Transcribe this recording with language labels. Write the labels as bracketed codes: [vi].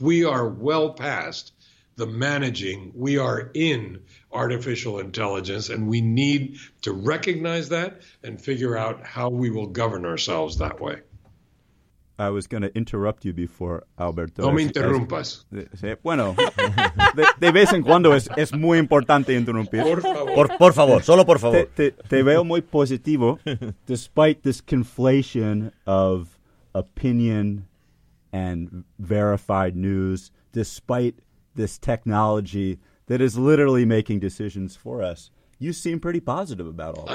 [en] We are well past the managing. We are in artificial intelligence, and we need to recognize that and figure out how we will govern ourselves that way. I was going to interrupt you before, Alberto. [es] No me interrumpas. Bueno, de vez en cuando es muy importante interrumpir. Por favor, solo por favor. Te veo muy positivo, [en] despite this conflation of opinion and verified news, despite this technology that is literally making decisions for us. You seem pretty positive about all this.